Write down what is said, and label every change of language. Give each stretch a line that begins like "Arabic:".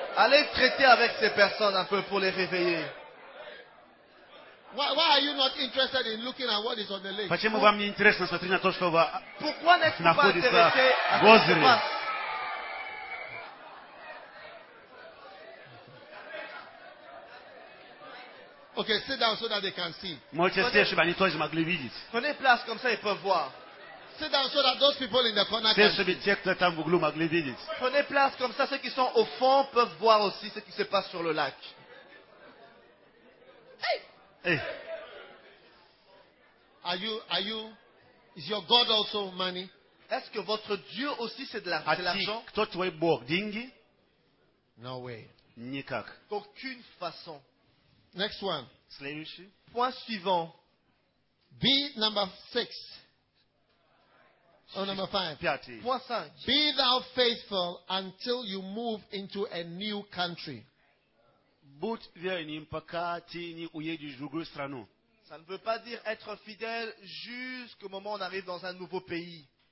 French: Allez traiter avec ces personnes un peu pour les réveiller.
English: Why are you not interested in looking at what is on the lake?
Russian: Почему вам не интересно смотреть на то, что вы находитесь в озере?
English: Okay, sit down so that they can see.
Russian: Молчите, чтобы они тоже могли видеть.
French: Prenez place comme ça, ils peuvent voir.
English: Sit down so that those people in the corner can see.
Russian: Чтобы те, кто там в углу, могли видеть.
French: Prenez place comme ça, ceux qui sont au fond peuvent voir aussi ce qui se passe sur le lac.
English: Hey. Are you? Is your God also money?
French: Est-ce que votre Dieu aussi c'est de l'argent?
Russian: Кто твой бог, деньги?
English: No way.
Russian: Никак.
French: D'aucune façon.
English: Next one.
Russian: Следующий.
French: Point suivant.
English: B number 6. Or number 5.
Russian: Пятый.
French: Point 5.
English: Be thou faithful until you move into a new country.
Russian: Будь верным, пока ты не уедешь в другую страну.
French: Ça ne veut pas dire être fidèle jusqu'au moment où on arrive dans un nouveau pays.